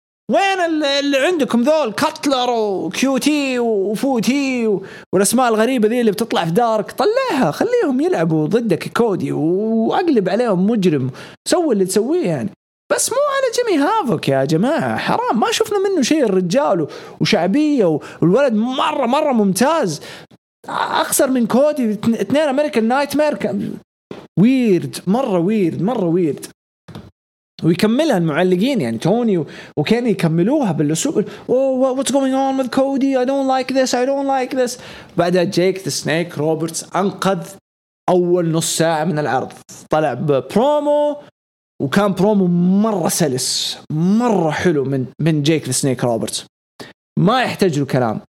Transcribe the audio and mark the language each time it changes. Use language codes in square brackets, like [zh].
[ar] وين اللي عندكم ذول كاتلر وكيوتي وفوتي والاسماء الغريبة ذي اللي بتطلع في دارك؟ طلعها خليهم يلعبوا ضدك كودي واقلب عليهم مجرم, سوي اللي تسويه يعني, بس مو على جيمي هافوك يا جماعة. حرام ما شفنا منه شيء الرجال وشعبية والولد مرة مرة ممتاز, أخسر من كودي اثنين أمريكان نايت مير. ويرد مرة, ويرد مرة ويرد. ويكملها المعلقين يعني توني وكيني يكملوها بالأسلوب [en] What's going on with Cody, I don't like this. [ar] بعدها جيك ذا سنيك روبرتس أنقذ أول نص ساعة من العرض, طلع ببرومو وكان برومو مرة سلس مرة حلو من جيك ذا سنيك روبرتس, ما يحتاج له كلام.